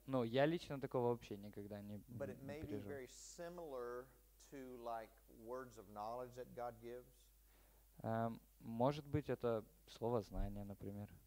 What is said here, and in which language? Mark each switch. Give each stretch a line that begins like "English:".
Russian: Но я лично такого вообще никогда не пережил.
English: But it may be very similar to like words of knowledge that God gives.
Russian: Может быть, это слово знания, например.